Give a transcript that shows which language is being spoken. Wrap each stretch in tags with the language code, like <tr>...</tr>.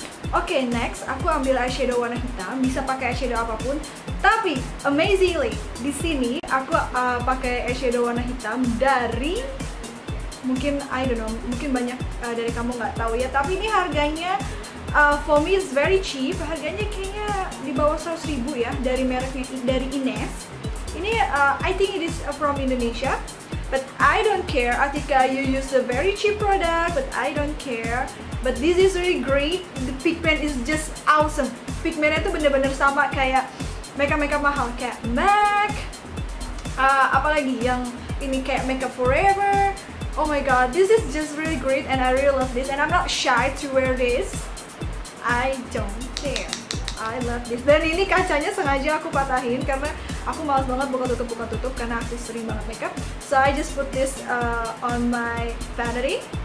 <id>Okay, next aku ambil eyeshadow warna hitam. Bisa pakai eyeshadow apapun, tapi amazingly di sini aku pakai eyeshadow warna hitam dari mungkin</id> <en>I don't know,</en> <id>mungkin banyak dari kamu nggak tahu ya, tapi ini harganya</id> <en>for me is very cheap.</en> <id>Harganya kayaknya di bawah 100.000 ya, dari mereknya, dari Ines.</id> <en>Ini I think it is from Indonesia, but I don't care. Atika, you use a very cheap product, but I don't care. But this is really great. The pigment is just awesome.</en> <id>Pigmentnya tuh bener-bener sama kayak makeup-makeup mahal kayak MAC. Apalagi yang ini kayak Makeup Forever.</id> <en>Oh my god, this is just really great and I really love this. And I'm not shy to wear this. I don't care. I love this.</en> <id>Dan ini kacanya sengaja aku patahin karena aku malas banget buka tutup-buka tutup karena aku sering banget makeup.</id> <en>So I just put this on my vanity.</en>